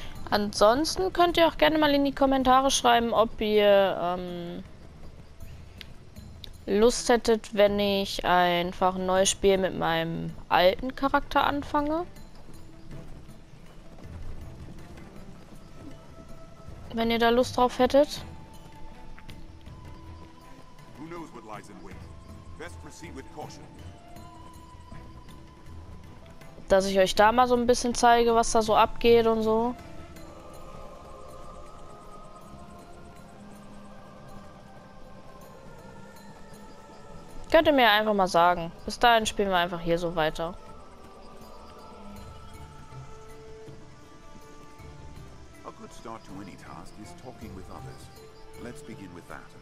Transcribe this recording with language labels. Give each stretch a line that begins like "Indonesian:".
German: Ansonsten könnt ihr auch gerne mal in die Kommentare schreiben, ob ihr Lust hättet, wenn ich einfach ein neues Spiel mit meinem alten Charakter anfange. Wenn ihr da Lust drauf hättet.
English: Who knows what lies in wait. Best proceed with caution.
German: Dass ich euch da mal so ein bisschen zeige, was da so abgeht und so. Könnt ihr mir einfach mal sagen. Bis dahin spielen wir einfach hier so weiter.
English: A good start to any task is talking with others. Let's begin with that.